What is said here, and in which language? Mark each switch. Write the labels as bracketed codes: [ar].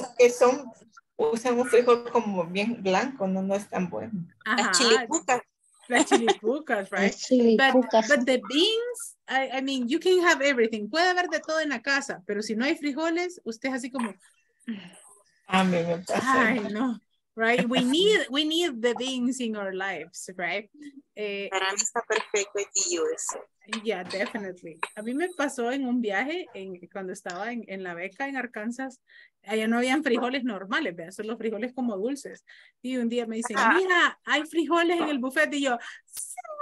[es] Que son, usan un frijol como bien blanco, no, no es tan bueno. Ajá. La chilipuca. La chilipuca, right? La chilipuca. [en] But the beans, I mean, you can have everything. [es] Puede haber de todo en la casa, pero si no hay frijoles, usted es así como... A mí me pasa. Ay, no. [en] Right, we need the beans in our lives, right? [es] Para mí está perfecto el US. [en] Yeah, definitely. [es] A mí me pasó en un viaje cuando estaba en la beca en Arkansas, allá no habían frijoles normales, ¿verdad? Son los frijoles como dulces. Y un día me dicen, mira, hay frijoles en el buffet. Y yo, sí.